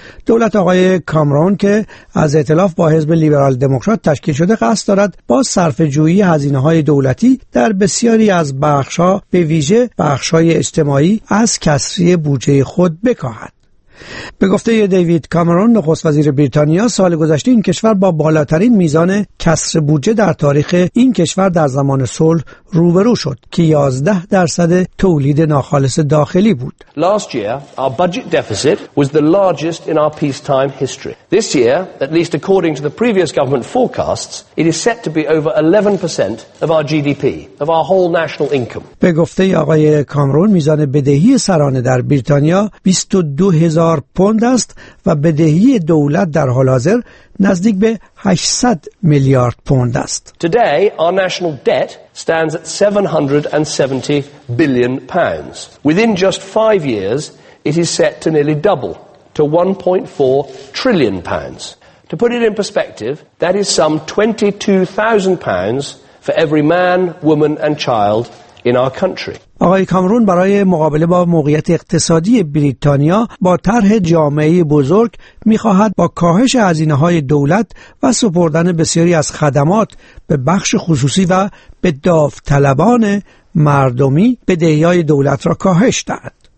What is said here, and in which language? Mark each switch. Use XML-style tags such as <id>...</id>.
<fa>دولت آقای کامرون که از ائتلاف با حزب لیبرال دموکرات تشکیل شده قصد دارد با صرفه‌جویی هزینه‌های دولتی در بسیاری از بخش‌ها به ویژه بخش‌های اجتماعی از کسری بودجه خود بکاهد. به گفته دیوید کامرون نخست وزیر بریتانیا، سال گذشته این کشور با بالاترین میزان کسر بودجه در تاریخ این کشور در زمان صلح روبرو شد که 11% تولید ناخالص داخلی بود.</fa> <en>Last year our budget deficit was the largest in our peacetime history. This year, at least according to the previous government forecasts, it is set to be over 11% of our GDP, of our whole national income. به گفته آقای Cameron میزان بدهی سرانه در بریتانیا 22,000 پوند است و بدهی دولت در حال حاضر نزدیک به 800 میلیارد پوند است. Today our national debt stands at 770 billion pounds. Within just 5 years it is set to nearly double to 1.4 trillion pounds. To put it in perspective, that is some 22,000 pounds for every man, woman and child in our country.</en> <fa>آقای کامرون برای مقابله با موقعیت اقتصادی بریتانیا با طرح جامعه بزرگ می‌خواهد با کاهش هزینه‌های دولت و سپردن بسیاری از خدمات به بخش خصوصی و به داوطلبان مردمی بدهی‌های دولت را کاهش دهد.</fa>